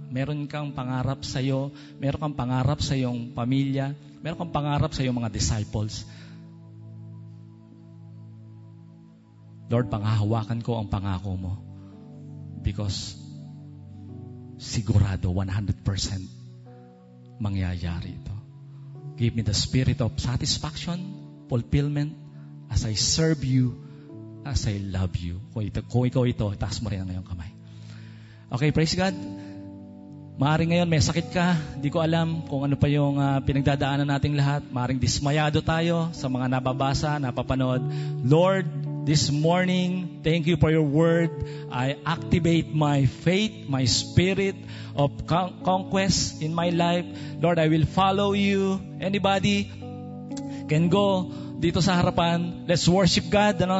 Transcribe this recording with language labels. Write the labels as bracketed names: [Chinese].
[Filipino] Meron kang pangarap sa iyo. Meron kang pangarap sa iyong pamilya. Meron kang pangarap sa iyong mga disciples. Lord, panghahawakan ko ang pangako mo [English] because [Filipino] sigurado 100% mangyayari ito. [English] Give me the spirit of satisfaction, fulfillment, as I serve you, as I love you. [Filipino] Kung ikaw ito, itaas mo rin ang iyong kamay. [English] Okay, praise God. [Filipino] Maaring ngayon may sakit ka, di ko alam kung ano pa yung pinagdadaanan nating lahat. Maaring dismayado tayo sa mga nababasa, napapanood. [English] Lord, this morning, thank you for your word. I activate my faith, my spirit of conquest in my life. Lord, I will follow you. Anybody can go [Filipino] dito sa harapan. [English] Let's worship God. [Filipino] Ano?